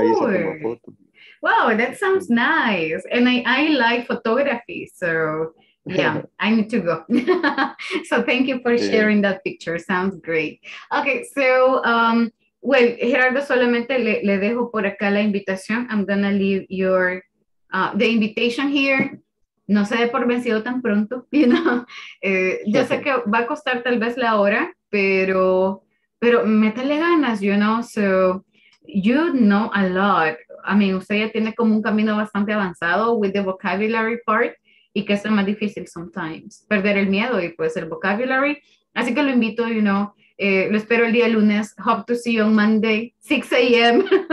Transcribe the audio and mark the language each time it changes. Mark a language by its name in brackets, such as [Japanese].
[Spanish] Ahí se toma foto. [English] Wow, that sounds nice. And I like photography, so... Yeah, I need to go. So thank you for sharing that picture. Sounds great. [Spanish] Okay, so, well, Gerardo, solamente le dejo por acá la invitación. [English] I'm going to leave your, the invitation here. [Spanish] No se dé por vencido tan pronto, you know. Yo sé que va a costar tal vez la hora, pero métale ganas, you know. [English] So you know a lot. I mean, [Spanish] usted ya tiene como un camino bastante avanzado [English] with the vocabulary part. [Spanish] Y que es lo más difícil sometimes, perder el miedo y pues el vocabulary. Así que lo invito, you know, lo espero el día lunes. [English] Hope to see you on Monday, 6 a.m.